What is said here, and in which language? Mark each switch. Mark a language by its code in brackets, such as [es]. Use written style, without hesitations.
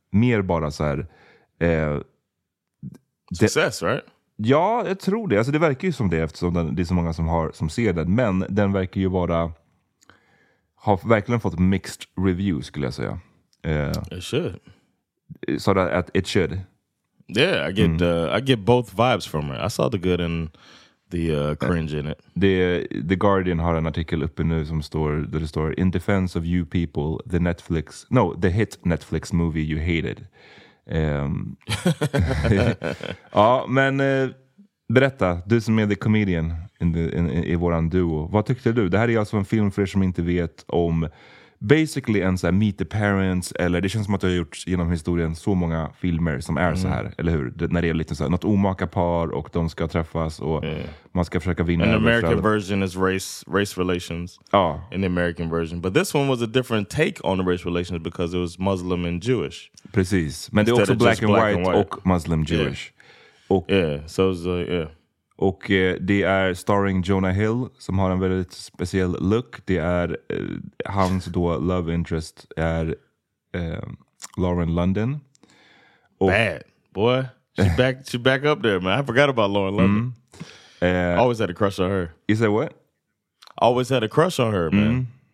[sv] Mer bara så här. [en] Success, right? [sv] Ja, jag tror det. Alltså det verkar ju som det, eftersom den, det är så många som har, som ser den. Men den verkar ju vara, har verkligen fått [en] mixed reviews, [sv] skulle jag säga. [en] It should. [sv] Så att [en] it should. Yeah, I get I get both vibes from it. I saw the good and the cringe in it. [sv] The Guardian har en artikel uppe nu som står, där det står [en] in defense of You People, the Netflix, no, the hit Netflix movie you hated. [sv] ja, men berätta, du som är [en] the comedian [sv] i våran duo. Vad tyckte du? Det här är alltså en film för er som inte vet om, basically en så här meet the parents, eller det känns som att jag har gjort genom historien så många filmer som är så här, eller hur? Det, när det är lite så här, något omaka par och de ska träffas och man ska försöka vinna. [en] An American version is race relations. [sv] Ja. [en] In the American version. But this one was a different take on the race relations because it was Muslim and Jewish. [sv] Precis. Men det är också [en] black and white [sv] och Muslim Jewish. [en] Yeah. [sv] Och, [en] yeah. So it was [sv] Och det är starring Jonah Hill, som har en väldigt speciell look. Det är hans då love interest är Lauren London. Och, [en] bad boy, she back up there, man. I forgot about Lauren London. Always had a crush on her. You said what? Always had a crush on her, man.